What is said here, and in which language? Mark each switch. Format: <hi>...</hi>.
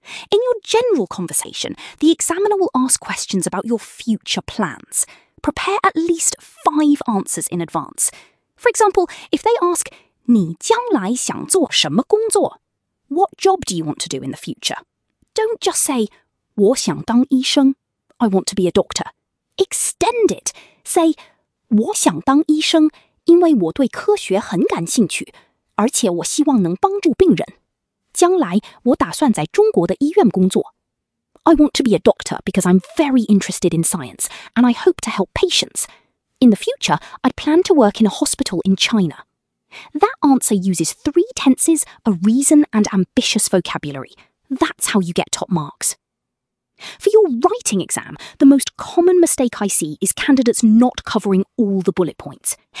<en>In your general conversation, the examiner will ask questions about your future plans. Prepare at least 5 answers in advance. For example, if they ask,</en> <zh>你将来想做什么工作?</zh> <en>What job do you want to do in the future? Don't just say,</en> <zh>我想当医生,</zh> <en>I want to be a doctor. Extend it. Say,</en> <zh>我想当医生, 因为我对科学很感兴趣，而且我希望能帮助病人。将来我打算在中国的医院工作。</zh> <en>I want to be a doctor because I'm very interested in science and I hope to help patients. In the future, I plan to work in a hospital in China. That answer uses 3 tenses, a reason, and ambitious vocabulary. That's how you get top marks. For your writing exam, the most common mistake I see is candidates not covering all the bullet points.</en>